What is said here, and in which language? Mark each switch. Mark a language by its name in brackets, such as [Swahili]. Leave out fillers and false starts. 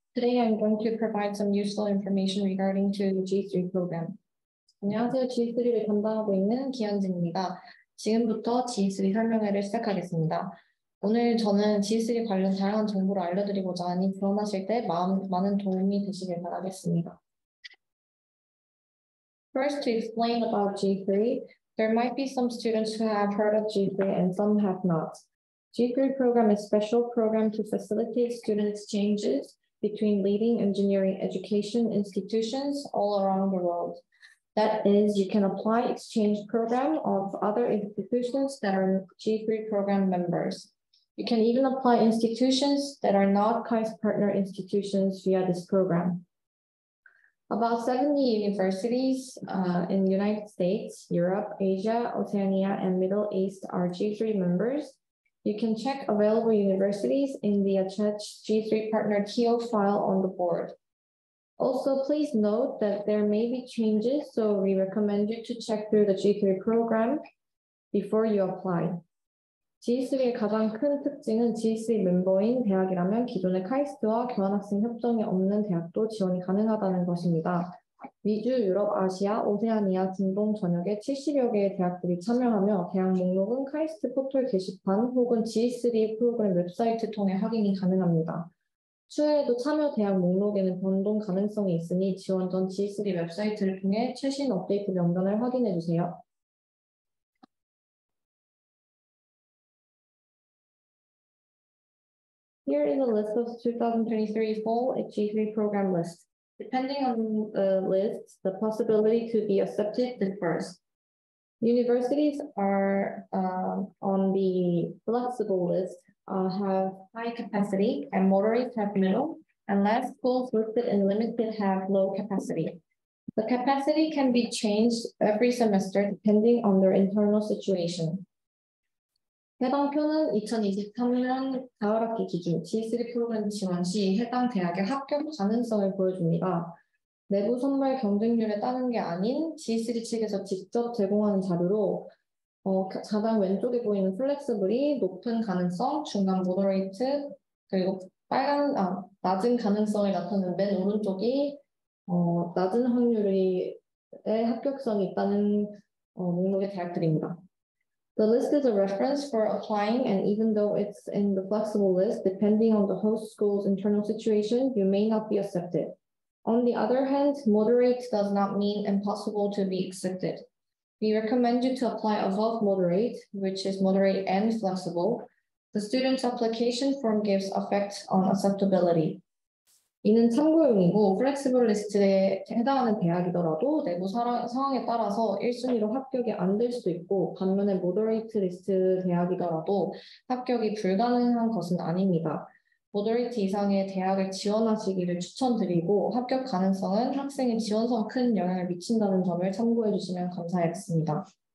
[English] Today, I'm going to provide some useful information regarding to the G3 program. [Korean] 안녕하세요. G3를 담당하고 있는 기현진입니다. 지금부터 G3 설명회를 시작하겠습니다. 오늘 저는 G3 관련 다양한 정보를 알려드리고자 하니 교환하실 때 많은 도움이 되시길 바라겠습니다. [English] First, to explain about G3, there might be some students who have heard of G3 and some have not. G3 program is a special program to facilitate student exchanges between leading engineering education institutions all around the world. That is, you can apply exchange program of other institutions that are G3 program members. You can even apply institutions that are not KAIST partner institutions via this program. About 70 universities in the United States, Europe, Asia, Oceania, and Middle East are G3 members. You can check available universities in the attached G3 partner TO file on the board. Also, please note that there may be changes, so we recommend you to check through the G3 program before you apply. [Korean] G3의 가장 큰 특징은 G3 멤버인 대학이라면 기존의 카이스트와 교환학생 협정이 없는 대학도 지원이 가능하다는 것입니다. 미주, 유럽, 아시아, 오세아니아, 중동 전역에 70여 개의 대학들이 참여하며 대학 목록은 카이스트 포털 게시판 혹은 G3 프로그램 웹사이트 통해 확인이 가능합니다. 추후에도 참여 대학 목록에는 변동 가능성이 있으니 지원 전 G3 웹사이트를 통해 최신 업데이트 명단을 확인해 주세요. [English] 2023 fall at G3 program list. Depending on the list, the possibility to be accepted differs. Universities are on the flexible list, have high capacity, and moderate have middle, and less schools listed in limited have low capacity. The capacity can be changed every semester depending on their internal situation. [Korean] 해당 표는 2023년 4월학기 기준 G3 프로그램 지원 시 해당 대학의 합격 가능성을 보여줍니다. 내부 선발 경쟁률에 따른 게 아닌 G3 측에서 직접 제공하는 자료로 좌단 왼쪽에 보이는 플렉스블이 높은 가능성, 중간 모더레이트, 그리고 낮은 가능성을 나타내는 맨 오른쪽이 낮은 확률의 합격성이 있다는 목록의 대학들입니다. [English] The list is a reference for applying, and even though it's in the flexible list, depending on the host school's internal situation, you may not be accepted. On the other hand, moderate does not mean impossible to be accepted. We recommend you to apply above moderate, which is moderate and flexible. The student's application form gives effect on acceptability. [Korean] 이는 참고용이고, 플렉시블 리스트에 해당하는 대학이더라도 내부 상황에 따라서 1순위로 합격이 안 될 수도 있고, 반면에 모더레이트 리스트 대학이더라도 합격이 불가능한 것은 아닙니다. 모더레이트 이상의 대학을 지원하시기를 추천드리고, 합격 가능성은 학생의 지원성 큰 영향을 미친다는 점을 참고해 주시면 감사하겠습니다.